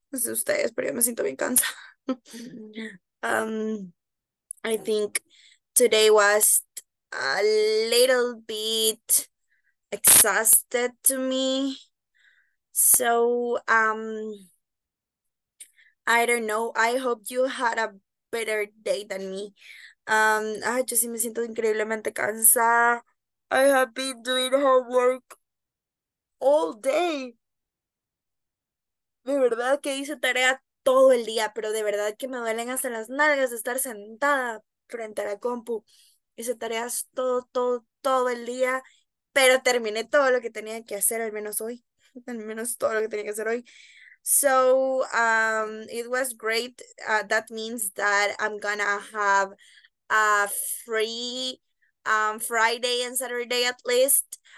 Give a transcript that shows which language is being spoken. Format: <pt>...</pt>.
<es>No sé ustedes, pero yo me siento bien cansada.</es> <en>I think today was a little bit exhausted to me. So, I don't know. I hope you had a better day than me.</en> <es>Ay, yo sí me siento increíblemente cansada.</es> <en>I have been doing homework all day.</en> <es>De verdad que hice tarea todo el día, pero de verdad que me duelen hasta las nalgas de estar sentada frente a la compu. Hice tareas todo el día, pero terminé todo lo que tenía que hacer, al menos hoy, al menos todo lo que tenía que hacer hoy.</es> <en>So, it was great. That means that I'm gonna have a free Friday and Saturday at least.</en>